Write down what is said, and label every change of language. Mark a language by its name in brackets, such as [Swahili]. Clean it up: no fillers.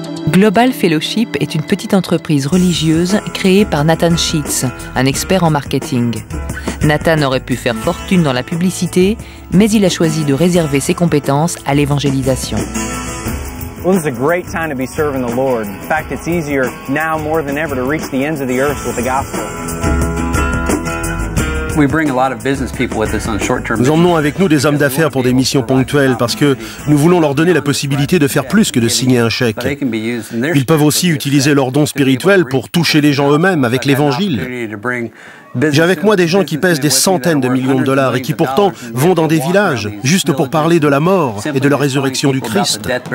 [French] Global Fellowship est une petite entreprise religieuse créée par Nathan Sheets, un expert en marketing. Nathan aurait pu faire fortune dans la publicité, mais il a choisi de réserver ses compétences à l'évangélisation. [English] Well, this is a great time to be serving the Lord. In fact, it's easier now more than ever to reach the ends of the earth with the gospel. [French] Nous emmenons avec nous des hommes d'affaires pour des missions ponctuelles parce que nous voulons leur donner la possibilité de faire plus que de signer un chèque. Ils peuvent aussi utiliser leurs dons spirituels pour toucher les gens eux-mêmes avec l'Évangile. J'ai avec moi des gens qui pèsent des centaines de millions de dollars et qui pourtant vont dans des villages juste pour parler de la mort et de la résurrection du Christ.